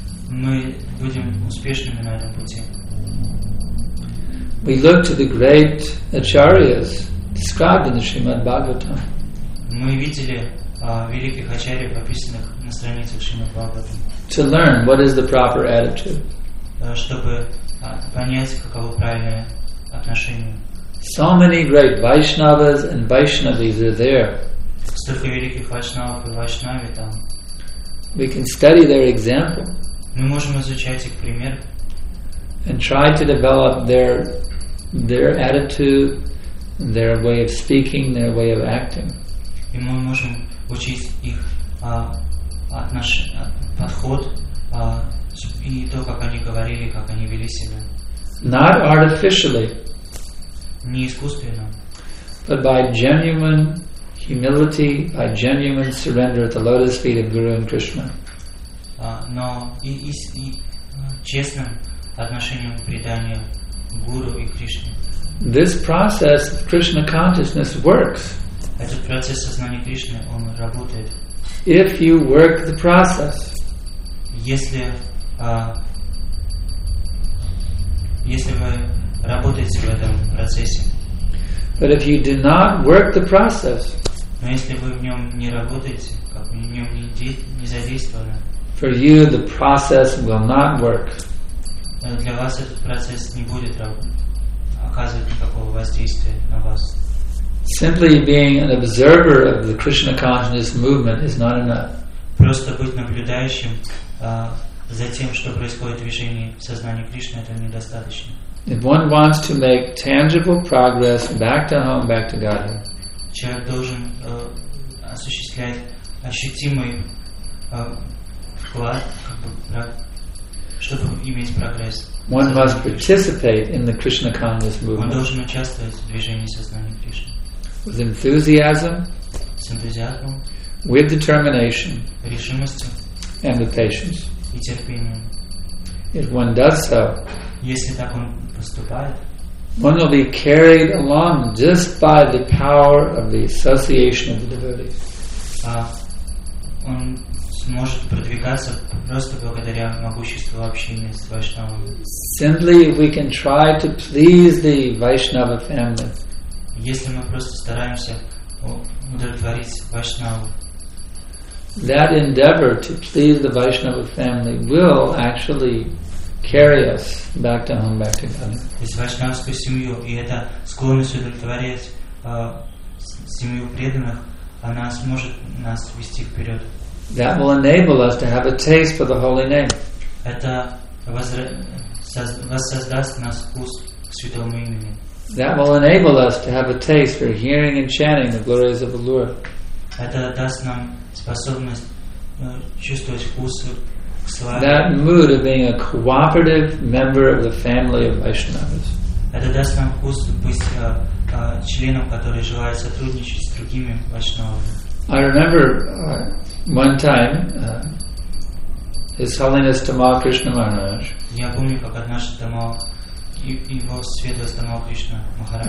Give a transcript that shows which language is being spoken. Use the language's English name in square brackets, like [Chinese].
[Russian] Мы будем успешными на этом пути. [English] We look to the great acharyas described in the Srimad Bhagavatam. [Russian] Мы видели великих ачарьев, описанных на страницах Шримад Бхагаватам. [English] To learn what is the proper attitude. [Russian] Чтобы понять, каково правильное отношение. [English] So many great Vaishnavas and Vaishnavis are there. [Russian] Столько великих Вайшнавов и Вайшнави там. [English] We can study their example. [Russian] Мы можем изучать их пример. [English] And try to develop their attitude, their way of speaking, their way of acting. [Russian] И мы можем учить их подход и то, как они говорили, как они вели себя. [English] Not artificially. [Russian] Не искусственно. [English] But by genuine humility, by genuine surrender at the lotus feet of Guru and Krishna. [Russian] Но и честным отношением к преданию Гуру и Кришне. [English] This process of Krishna consciousness works. [Russian] Этот процесс сознания Кришны, он работает. [English] If you work the process. [Russian] Если вы работаете в этом процессе. [English] But if you do not work the process. [Russian] Но если вы в нем не работаете, как в нем не задействованы. [English] For you the process will not work. [Russian] для вас этот процесс не будет оказывать никакого воздействия на вас. [English] Simply being an observer of the Krishna consciousness movement is not enough. [Russian] Просто быть наблюдающим за тем, что происходит в движении сознания Кришны, это недостаточно. [English] If one wants to make tangible progress back to home, back to Godhead, [Russian] человек должен осуществлять ощутимый вклад, чтобы иметь прогресс. [English] One must participate in the Krishna consciousness movement. [Russian] Он должен участвовать в движении сознания Кришны. [English] With enthusiasm, [Russian] с энтузиазмом, [English] with determination, [Russian] решимостью, [English] and with patience. [Russian] И терпением. [English] If one does so, [Russian] если так он поступает, [English] one will be carried along just by the power of the association of the devotees. [Russian] Он сможет продвигаться просто благодаря могуществу общения с вайшнавами. [English] Simply, if we can try to please the Vaishnava family, [Russian] если мы просто стараемся удовлетворить вайшнаву, [English] that endeavor to please the Vaishnava family will actually carry us back to home, back to God. [Russian] То есть вайшнавскую семью и эта склонность удовлетворять семью преданных, она сможет нас вести вперед. [English] That will enable us to have a taste for the holy name. [Russian] Это воссоздаст нас вкус к святому имени. [English] That will enable us to have a taste for hearing and chanting the glories of the Lord. [Russian] Это даст нам способность чувствовать вкус к славе. [English] That mood of being a cooperative member of the family of Vaishnavas. [Russian] Это даст нам вкус быть членом, который желает сотрудничать с другими вайшнавами. [English] I remember one time His Holiness Tamal Krishna Maharaj. [Russian] Я помню, как однажды Тамал, его светлость Тамал Кришна Махарадж,